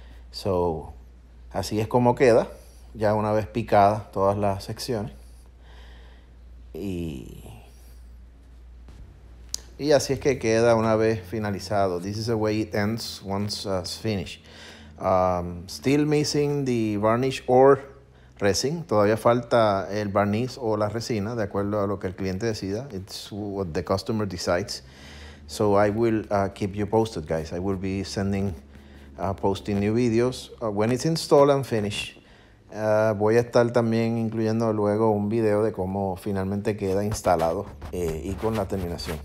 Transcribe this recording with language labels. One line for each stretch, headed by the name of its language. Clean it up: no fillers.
Spanish: So, así es como queda ya una vez picadas todas las secciones. Y así es que queda una vez finalizado.
English: This is the way it ends once it's finished. Still missing the varnish or resin.
Spanish: Todavía falta el barniz o la resina, de acuerdo a lo que el cliente decida.
English: It's what the customer decides. So I will keep you posted, guys. I will be posting new videos when it's installed and finished.
Spanish: Voy a estar también incluyendo luego un video de cómo finalmente queda instalado y con la terminación.